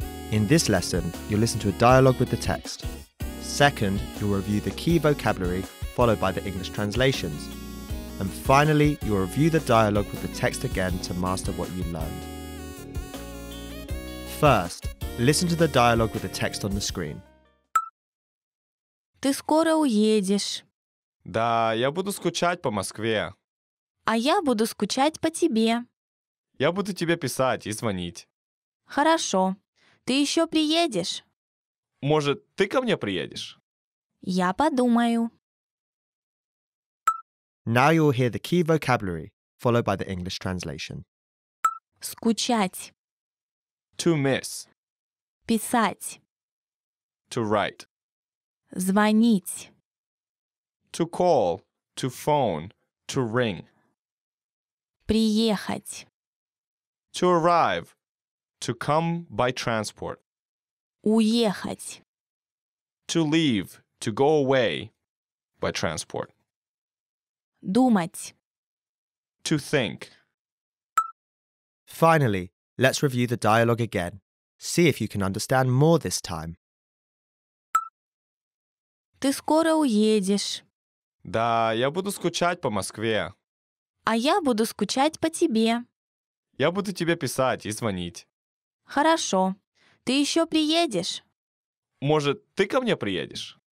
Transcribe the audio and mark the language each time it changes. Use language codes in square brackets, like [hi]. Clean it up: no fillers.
[en] In this lesson, you'll listen to a dialogue with the text. Second, you'll review the key vocabulary followed by the English translations. And finally, you'll review the dialogue with the text again to master what you learned. First, listen to the dialogue with the text on the screen. [ru] Ты скоро уедешь? Да, я буду скучать по Москве. А я буду скучать по тебе. Я буду тебе писать и звонить. Хорошо. Ты еще приедешь? Может, ты ко мне приедешь? Я подумаю. [en] Now you'll hear the key vocabulary, followed by the English translation. [ru] Скучать. [en] To miss. [ru] Писать. [en] To write. [ru] Звонить. [en] To call, to phone, to ring. [ru] Приехать. [en] To arrive, to come by transport. [ru] Уехать. [en] To leave, to go away, by transport. [ru] Думать. [en] To think. Finally, let's review the dialogue again. See if you can understand more this time. [ru] Ты скоро уедешь? Да, я буду скучать по Москве. А я буду скучать по тебе. Я буду тебе писать и звонить. Хорошо. Ты еще приедешь? Может, ты ко мне приедешь?